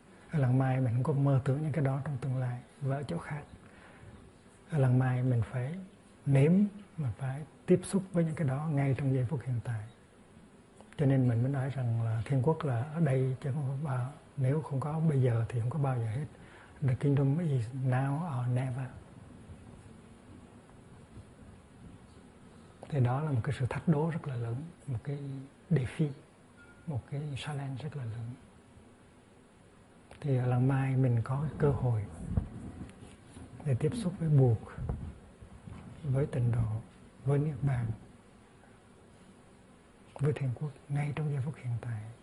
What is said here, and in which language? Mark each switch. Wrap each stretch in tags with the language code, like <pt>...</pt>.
<vi>Ở lần mai mình không có mơ tưởng những cái đó trong tương lai và ở chỗ khác. Ở lần mai mình phải nếm mà phải tiếp xúc với những cái đó ngay trong giây phút hiện tại. Cho nên mình mới nói rằng là thiên quốc là ở đây chứ không có bao, nếu không có bây giờ thì không có bao giờ hết.</vi> <en>The kingdom is now or never.</en> <vi>Thì đó là một cái sự thách đố rất là lớn, một cái đề phi, một cái challenge rất là lớn. Thì ở lần mai mình có cơ hội để tiếp xúc với Bụt, với tịnh độ, với Niết bàn, với thiền quốc ngay trong giây phút hiện tại.</vi>